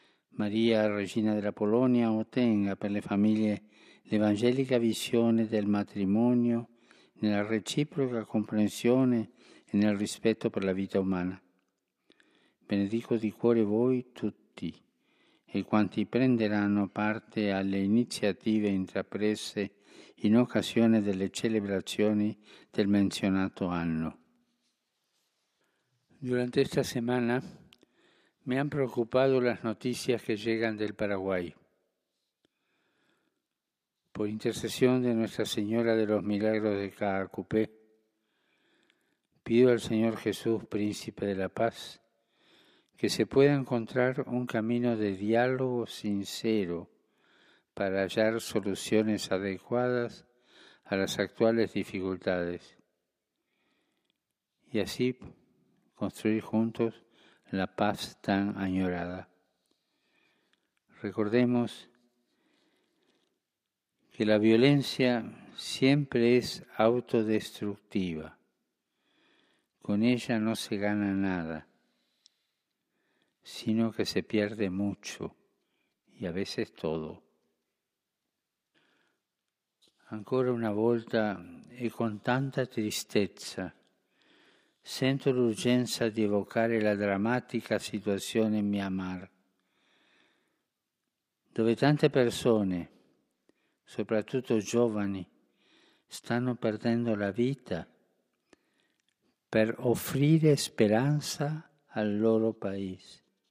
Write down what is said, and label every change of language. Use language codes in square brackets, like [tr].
[it] Maria, regina della Polonia, ottenga per le famiglie l'evangelica visione del matrimonio nella reciproca comprensione e nel rispetto per la vita umana. Benedico di cuore voi tutti e quanti prenderanno parte alle iniziative intraprese in occasione delle celebrazioni del menzionato anno. [es] Durante esta semana me han preocupado las noticias que llegan del Paraguay. por intercesión de Nuestra Señora de los Milagros de Caacupé, pido al Señor Jesús, Príncipe de la Paz, que se pueda encontrar un camino de diálogo sincero para hallar soluciones adecuadas a las actuales dificultades y así construir juntos la paz tan añorada. Recordemos que la violencia siempre es autodestructiva. Con ella no se gana nada, sino que se pierde mucho y a veces todo. [it] Ancora una volta e con tanta tristezza sento l'urgenza di evocare la drammatica situazione in Myanmar, dove tante persone, soprattutto giovani, stanno perdendo la vita per offrire speranza al loro paese.